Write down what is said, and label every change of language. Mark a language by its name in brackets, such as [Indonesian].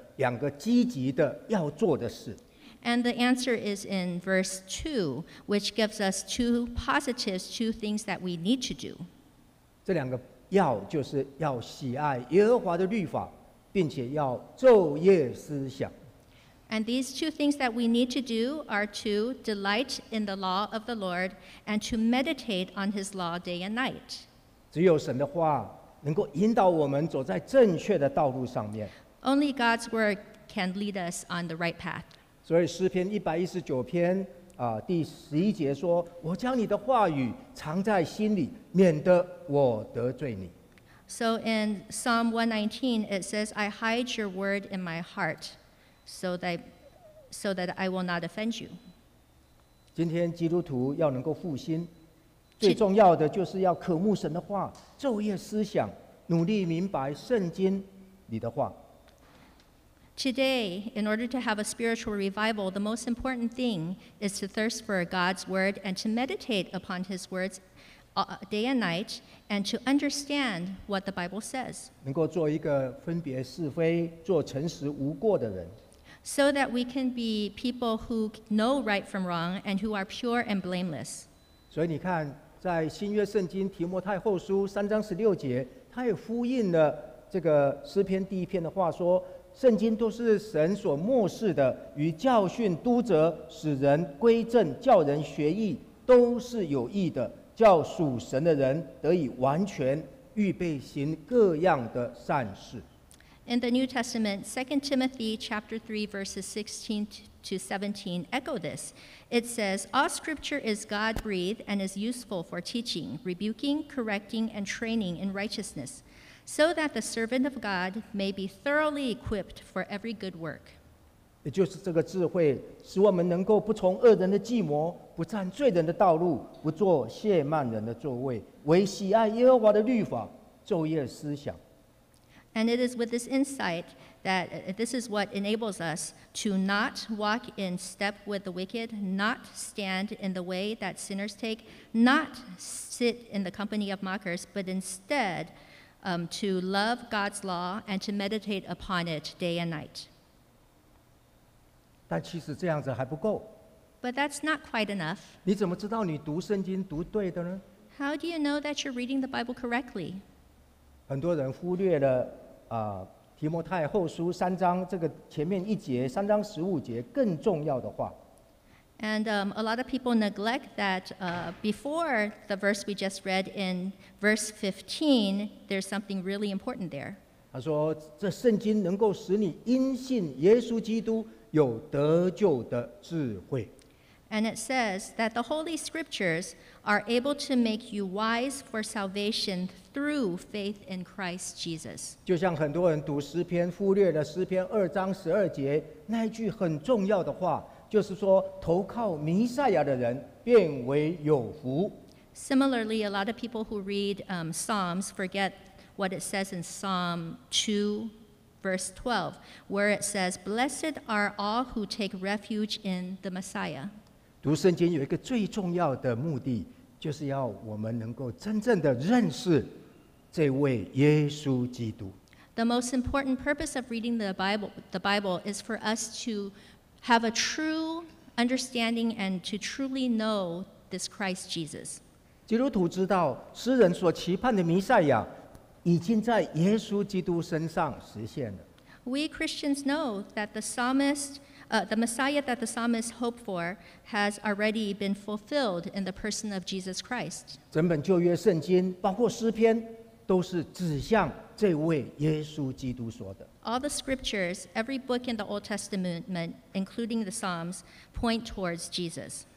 [Chinese] 答案就在第二节所告诉我们的两个积极的要做的事。 [English] And the answer is in verse 2, which gives us two positives, two things that we need to do. [Chinese] 这两个要就是要喜爱耶和华的律法, 并且要昼夜思想。 [English] And these two things that we need to do are to delight in the law of the Lord and to meditate on his law day and night. [Chinese] 只有神的话能够引导我们走在正确的道路上面。 [English] Only God's word can lead us on the right path. [Chinese] 所以诗篇119篇第十一节说，我将你的话语藏在心里，免得我得罪你。 [English] So in Psalm 119, it says, I hide your word in my heart, so that I will not offend you. [Chinese] 今天基督徒要能够复兴，最重要的就是要渴慕神的话，昼夜思想，努力明白圣经里的话。 [English] Today, in order to have a spiritual revival, the most important thing is to thirst for God's word and to meditate upon his words day and night and to understand what the Bible says. [Chinese] 能够做一个分别是非、做诚实无过的人。 [English] So that we can be people who know right from wrong and who are pure and blameless. [Chinese] 所以你看，在新约圣经提摩太后书三章十六节，它也呼应了这个诗篇第一篇的话说，圣经都是神所默示的，与教训、督责、使人归正、叫人学义，都是有益的，叫属神的人得以完全，预备行各样的善事。 [English] In the New Testament, 2 Timothy chapter 3, verses 16 to 17 echo this. It says, All scripture is God-breathed and is useful for teaching, rebuking, correcting, and training in righteousness. So that the servant of God may be thoroughly equipped for every good work. [Chinese] 也就是这个智慧，使我们能够不从恶人的计谋，不占罪人的道路，不做亵慢人的座位，唯喜爱耶和华的律法，昼夜思想。 [English] And it is with this insight that this is what enables us to not walk in step with the wicked, not stand in the way that sinners take, not sit in the company of mockers, but instead. To love God's law and to meditate upon it day and night. [Chinese] 但其实这样子还不够。 [English] But that's not quite enough. [Chinese] 你怎么知道你读圣经读对的呢？ [English] How do you know that you're reading the Bible correctly? [Chinese] 很多人忽略了提摩太后书三章这个前面一节三章十五节更重要的话。 [English] And a lot of people neglect that before the verse we just read in verse 15, there's something really important there. [Chinese] 他说，这圣经能够使你因信耶稣基督有得救的智慧。 [English] And it says that the Holy Scriptures are able to make you wise for salvation through faith in Christ Jesus. [Chinese] 就像很多人读诗篇，忽略了诗篇二章十二节那一句很重要的话。就是说，投靠弥赛亚的人变为有福。 [English] Similarly, a lot of people who read Psalms forget what it says in Psalm 2, verse 12, where it says, "Blessed are all who take refuge in the Messiah." [Chinese] 读圣经有一个最重要的目的，就是要我们能够真正的认识这位耶稣基督。 [English] The most important purpose of reading the Bible, is for us to have a true understanding and to truly know this Christ Jesus. [Chinese] 基督徒知道诗人所期盼的弥赛亚已经在耶稣基督身上实现了。 [English] We Christians know that the Messiah that the psalmist hoped for has already been fulfilled in the person of Jesus Christ. [Chinese] 整本旧约圣经包括诗篇都是指向这位耶稣基督说的。 [English] All the scriptures, every book in the Old Testament, including the Psalms, point towards Jesus.